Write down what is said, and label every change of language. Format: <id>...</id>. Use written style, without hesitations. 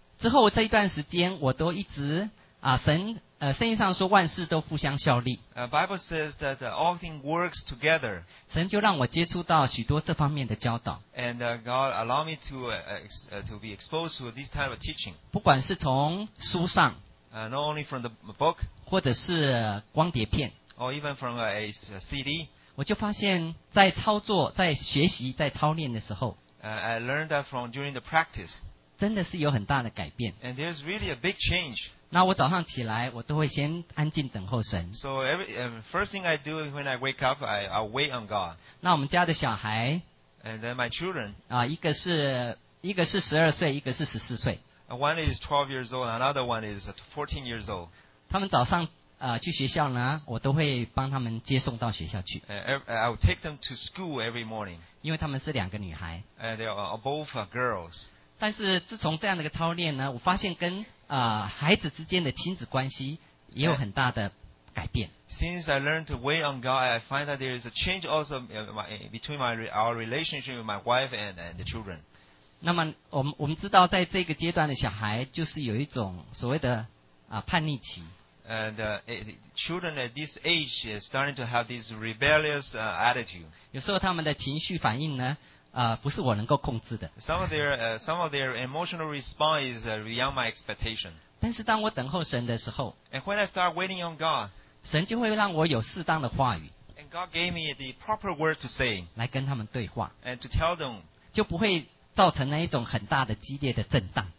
<zh>之后这一段时间我都一直神圣经上说万事都互相效力。</zh> <en>Bible says that all things works together.</en> <zh>神就让我接触到许多这方面的教导。</zh> <en>And God allow me to be exposed to this type of teaching.</en> <zh>不管是从书上。</zh> <en>Not only from the book.</en> <zh>或者是光碟片。</zh> <en>Or even from a CD.</en> <zh>我就发现在操作在学习在操练的时候</zh> <en>I learned that from during the practice</en> <zh>真的是有很大的改变。</zh> <en>And there's really a big change.</en> <zh>那我早上起来我都会先安静等候神。</zh> <en>So first thing I do when I wake up I'll wait on God.</en> <zh>那我们家的小孩</zh> <en>And then my children</en> <zh>一个是12岁一个是14岁。</zh> <en>One is 12 years old another one is 14 years old.</en> <zh>他们早上去学校呢，我都会帮他们接送到学校去。</zh> <en>I will take them to school every morning.</en> <zh>因为他们是两个女孩。</zh> <en>They are both girls.</en> <zh>但是自从这样的一个操练呢，我发现跟孩子之间的亲子关系也有很大的改变。</zh> <en>Since I learned to wait on God, I find that there is a change also between our relationship with my wife and the children.</en> <zh>那么我们知道，在这个阶段的小孩就是有一种所谓的叛逆期。</zh> <en>And children at this age is starting to have this rebellious attitude.</en> <zh>有时候他们的情绪反应呢，不是我能够控制的。</zh> <en>Some of their emotional response is beyond my expectation.</en> <zh>但是当我等候神的时候</zh> <en>，And when I start waiting on God,</en> <zh>神就会让我有适当的话语</zh> <en>，And God gave me the proper word to say,</en> <zh>来跟他们对话</zh> <en>，And to tell them,</en> <zh>就不会造成那一种很大的激烈的震荡。</zh>